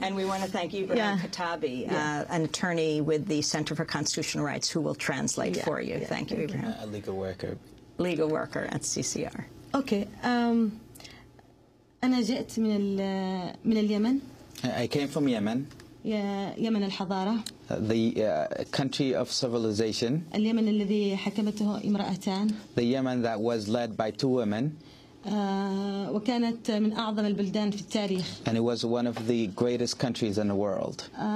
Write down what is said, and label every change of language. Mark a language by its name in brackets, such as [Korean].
[English] And we want to thank Ibrahim Khattabi, an attorney with the Center for Constitutional Rights, who will translate for you. Yeah. Thank you, Ibrahim. A legal worker. Legal worker at CCR. [Arabic] Okay. أنا جئت من اليمن. [English] I came from Yemen. [Arabic] يمن الحضارة. [English] The country of civilization. [Arabic] اليمن الذي حكمته امرأتان. [English] The Yemen that was led by two women. [Arabic] وكانت من أعظم البلدان في التاريخ. [English] And it was one of the greatest countries in the world.